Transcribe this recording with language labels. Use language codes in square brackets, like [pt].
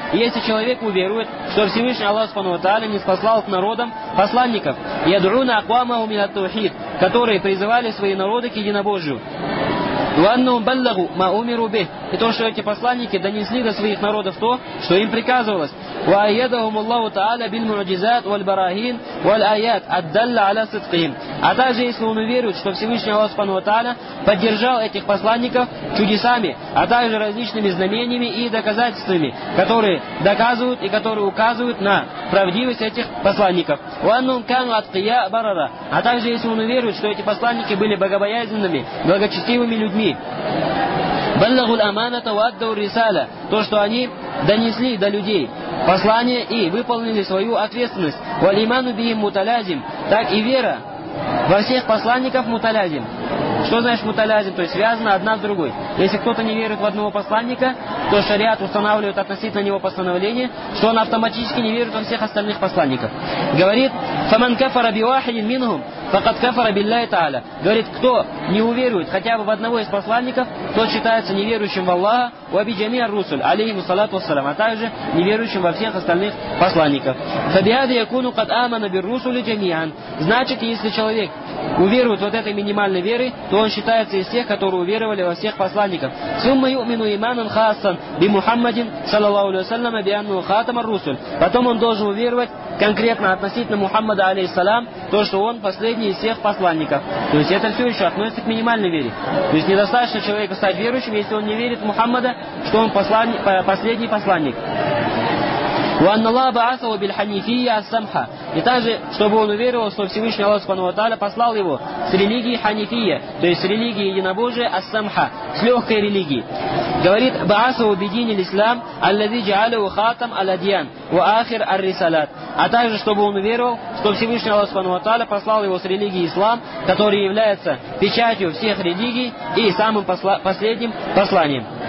[ru] Если человек уверует, что Всевышний Аллах субхана ва тааля ниспослал к народам посланников, [ar] ядуна акваму мин ат-таухид, [ru] которые призывали свои народы к единобожию. [ar] وأنهم بلغوا ما أمروا به. [ru] И то, что эти посланники донесли до своих народов то, что им приказывалось. [ar] وأيدهم الله تعالى بالمعجزات والبراهين والآيات الدالة على صدقهم. [ru] А также, если он уверует, что Всевышний Аллах Субхану ва Тааля поддержал этих посланников чудесами, а также различными знамениями и доказательствами, которые доказывают и которые указывают на правдивость этих посланников. [ar] وأنهم كانوا أتقياء برره. [ru] А также, если он уверует, что эти посланники были богобоязненными, благочестивыми людьми. [ar] بلغوا الأمانة وأدوا الرسالة. [ru] То, что они донесли до людей послание и выполнили свою ответственность. [ar] والإيمان بهم متلازم. [ru] Так и вера во всех посланников муталязим. Что значит муталязим? То есть связано одна с другой. Если кто-то не верит в одного посланника, то шариат устанавливает относительно него постановление, что он автоматически не верит во всех остальных посланников. Говорит, [ar] فَمَنْ كَفَرَ بِوَاحِدٍ مِنْهُمْ فَقَدْ كَفَرَ بِاللَّهِ تَعَالَى. [ru] Говорит, кто не уверует хотя бы в одного из посланников, тот считается неверующим в Аллаха, [ar] وَبِجَمِيعَ الرُّسُلْ عَلَيْهِمُ الصَّلَاةُ وَالسَّلَامُ, [ru] а также неверующим во всех остальных посланников. [ar] فَبِهَذَا يَكُونُ قَدْ آمَنَ بِالرُّسُلِ جَمِيعًا. [ru] Значит, если человек уверует вот этой минимальной верой, то он считается из тех, которые уверовали во всех посланников. [ar] ثُمَّ يُؤْمِنُ إِيمَانًا خَاصًا بِمُحَمَّدٍ صَلَّى اللَّهُ عَلَيْهِ وَسَلَّمَ بِأَنَّهُ خَاتَمَ الرُّسُلِ. [ru] Потом он должен уверовать конкретно относительно Мухаммада, алейхиссалам, то, что он последний из всех посланников. То есть это все еще относится к минимальной вере. То есть недостаточно человеку стать верующим, если он не верит в Мухаммада, что он последний посланник. [ar] وأن الله بعثه بالحنيفية السمحة. [ru] И также, чтобы он уверовал, что Всевышний Аллах Субхану ва Тааля послал его с религии ханифия, то есть с религии единобожия ас-самха, с легкой религии. Говорит, [ar] بعثه بدين الإسلام الذي جعله خاتم الأديان وآخر الرسالات. [ru] А также, чтобы он уверовал, что Всевышний Аллах Субхану ва Тааля послал его с религии ислам, который является печатью всех религий и самым последним посланием.